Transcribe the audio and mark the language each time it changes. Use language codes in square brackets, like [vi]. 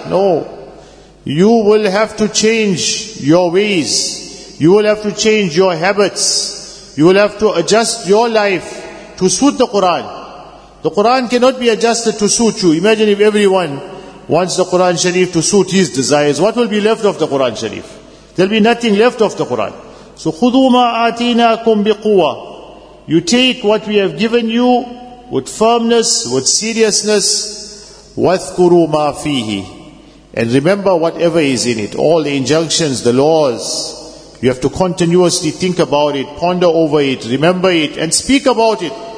[en] No, you will have to change your ways. You will have to change your habits. You will have to adjust your life to suit the Quran. The Quran cannot be adjusted to suit you. Imagine if everyone wants the Quran Sharif to suit his desires. What will be left of the Quran Sharif? There will be nothing left of the Quran. [ar] So, خُذُوا مَا آتِيْنَاكُمْ بِقُوَّةٍ. [en] You take what we have given you with firmness, with seriousness. [ar] وَاذْكُرُوا مَا فِيهِ. [en] And remember whatever is in it. All the injunctions, the laws. You have to continuously think about it, ponder over it, remember it, and speak about it.